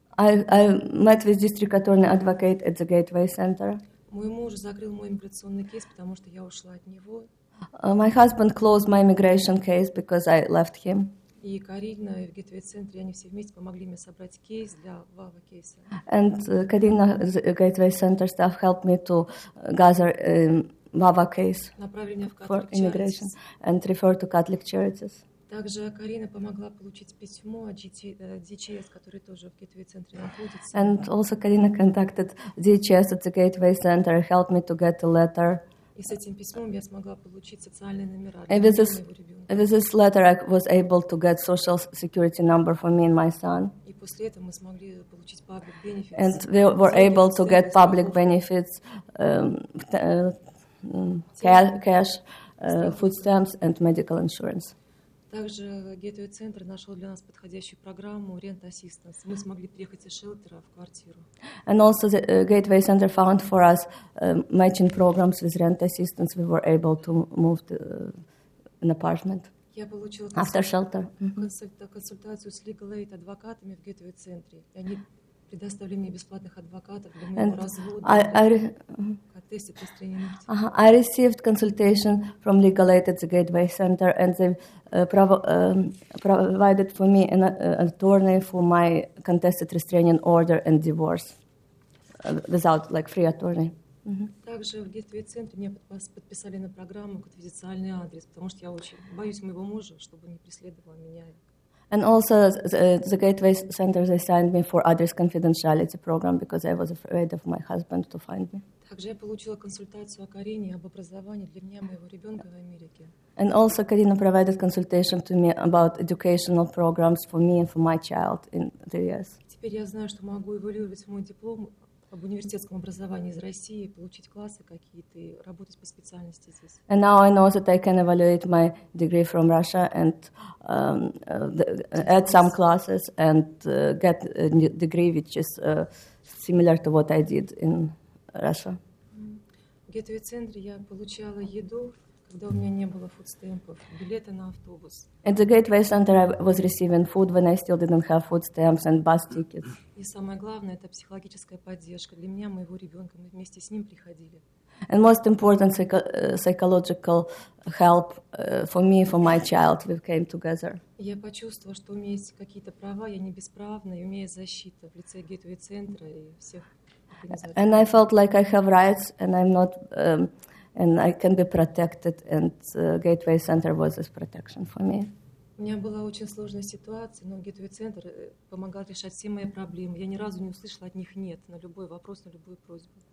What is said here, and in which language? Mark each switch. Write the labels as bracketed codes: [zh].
[en] I met with district attorney advocate at the Gateway Center. [ru] Мой муж закрыл мой иммиграционный кейс, потому что я ушла от него. [en] My husband closed my immigration case because I left him. [ru] И Карина в Gateway Center, они все вместе помогли мне собрать кейс для Вава кейса. [en] And Карина, the Gateway Center staff helped me to gather Вава case for immigration and refer to Catholic Charities. [ru] Также Карина помогла получить письмо от DHS, который тоже в Gateway Center находится. [en] And also Карина contacted DHS at the Gateway Center, helped me to get a letter. [ru] И с этим письмом я смогла получить социальные номера. [en] With this letter, I was able to get social security number for me and my son. [ru] И после этого мы смогли получить [en] public benefits. And we were able to get public benefits, cash, food stamps, and medical insurance. [ru] Также Gateway Center нашел для нас подходящую программу [en] rent assistance. [ru] Мы смогли переехать из шелтера в квартиру. [en] And also the Gateway Center found for us matching programs with rent assistance. We were able to move to an apartment. [ru] Я получила [en] after shelter. [ru] Консультацию с [en] legal aid [ru] адвокатами в Gateway Center. Они предоставили мне бесплатных адвокатов для моего развода. [en] I received consultation from legal aid at the Gateway Center and they provided for me an attorney for my contested restraining order and divorce without, like, free attorney. [ru] Также в Gateway Center мне подписали на программу конфиденциальный адрес, потому что я очень боюсь моего мужа, чтобы не преследовал меня. [en] And also the Gateway Center, they signed me for address confidentiality program because I was afraid of my husband to find me. [ru] Также я получила консультацию о Карине об образовании для меня моего ребенка в Америке. [en] And also Karina provided consultation to me about educational programs for me and for my child in the US. [ru] Теперь я знаю, что могу эвалюировать мой диплом об университетском образовании из России, получить классы какие-то, работать по специальности здесь. [en] And now I know that I can evaluate my degree from Russia and add some classes and get a new degree which is similar to what I did in Russia. [ru] В Gateway Center я получала еду, когда у меня не было [en] food stamps, [ru] билеты на автобус. [en] At the Gateway Center I was receiving food when I still didn't have food stamps and bus tickets. [ru] И самое главное, это психологическая поддержка для меня, моего ребенка. Мы вместе с ним приходили. [en] And most important psychological help for me, for my child, we came together. [ru] Я почувствовала, что у меня есть какие-то права, я не бесправна, и у меня есть защита в лице Gateway Center и всех. [en] And I felt like I have rights and I'm not and I can be protected and Gateway Center was this protection for me. [ru] меня была очень сложная ситуация, но Gateway Center помогал решать все мои проблемы. Я ни разу не услышала от них нет на любой вопрос, на любую просьбу.